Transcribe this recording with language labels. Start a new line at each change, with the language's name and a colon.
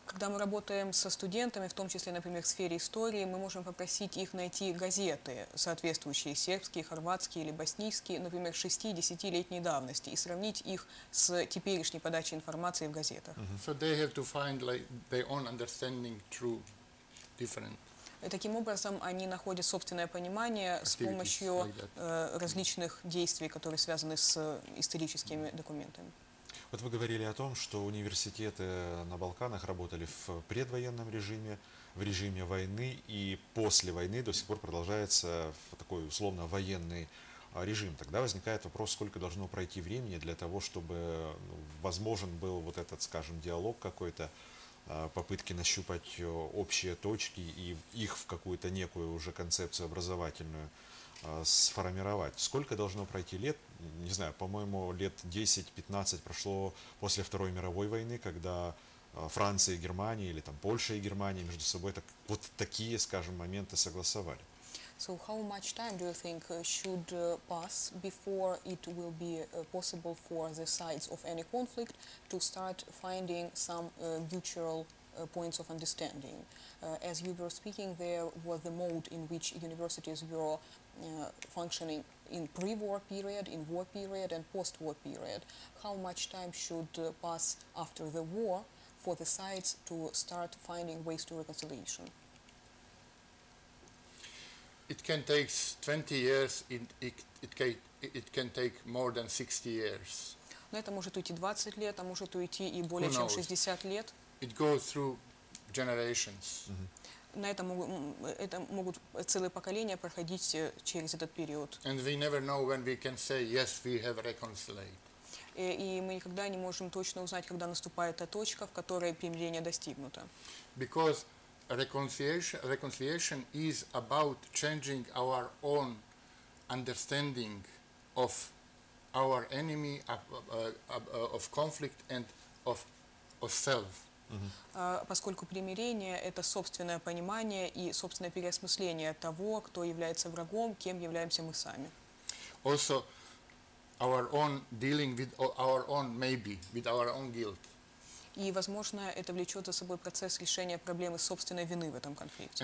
Russian: Когда мы работаем со студентами, в том числе, например, в сфере истории, мы можем попросить их найти газеты, соответствующие сербские, хорватские или боснийские, например, 6-10-летней давности, и сравнить их с теперешней подачей информации в газетах. Mm-hmm.
English: So they have to find like their own understanding through different.
Russian: И таким образом они находят собственное понимание с помощью различных действий, которые связаны с историческими документами. Вот вы говорили о том, что университеты на Балканах работали в предвоенном режиме, в режиме войны, и после войны до сих пор продолжается такой условно военный режим. Тогда возникает вопрос, сколько должно пройти времени для того, чтобы возможен был вот этот, скажем, диалог какой-то, попытки нащупать общие точки и их в какую-то некую уже концепцию образовательную сформировать. Сколько должно пройти лет? Не знаю, по-моему, лет 10-15 прошло после Второй мировой войны, когда Франция и Германия, или там Польша и Германия между собой так, вот такие, скажем, моменты согласовали.
English: So how much time do you think should pass before it will be possible for the sides of any conflict to start finding some mutual points of understanding? As you were speaking, there was the mode in which universities were functioning in pre-war period, in war period and post-war period. How much time should pass after the war for the sides to start finding ways to reconciliation? It can take 20 years, it can take more than 60 years.
Russian: Но это может уйти 20 лет, а может уйти и более чем 60 лет.
English: It goes through generations. Mm-hmm.
Russian: На это могут целые поколения проходить через этот период.
English: And we never know when we can say, yes, we have reconciled.
Russian: И мы никогда не можем точно узнать, когда наступает та точка, в которой примирение достигнуто.
English: Because Reconciliation is about changing our own understanding of our enemy, of conflict and of self.
Russian: Поскольку примирение – это собственное понимание и собственное переосмысление того, кто является врагом, кем являемся мы сами.
English: Also, our own dealing with our own maybe, with our own guilt.
Russian: И, возможно, это влечет за собой процесс решения проблемы собственной вины в этом конфликте.